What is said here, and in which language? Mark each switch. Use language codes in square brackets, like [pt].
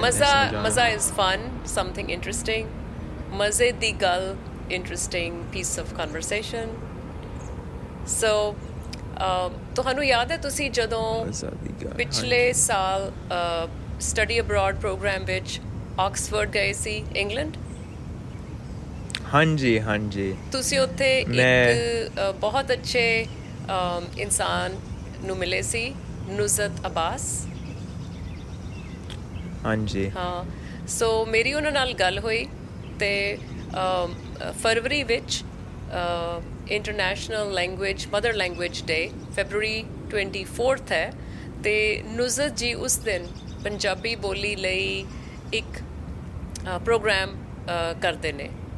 [en] Maza is fun, something interesting. [pa] Maze di gal, [en] interesting piece of conversation. [pa] So ਤੁਹਾਨੂੰ ਯਾਦ ਹੈ ਤੁਸੀਂ ਜਦੋਂ ਪਿਛਲੇ ਸਾਲ ਸਟੱਡੀ ਅਬਰਾਡ ਪ੍ਰੋਗਰਾਮ ਵਿੱਚ ਆਕਸਫੋਰਡ ਗਏ ਸੀ ਇੰਗਲੈਂਡ? ਹਾਂਜੀ ਹਾਂਜੀ. ਤੁਸੀਂ ਉੱਥੇ ਇੱਕ ਬਹੁਤ ਅੱਛੇ ਇਨਸਾਨ ਨੂੰ ਮਿਲੇ ਸੀ, ਨੁਸਰਤ ਅਬਾਸ. ਹਾਂਜੀ ਹਾਂ. ਸੋ ਮੇਰੀ ਉਹਨਾਂ ਨਾਲ ਗੱਲ ਹੋਈ ਅਤੇ ਫਰਵਰੀ ਵਿੱਚ International Language, Mother Language Day, February 24th hai, te Nuzat ji us din Punjabi boli lai ik program karde ne.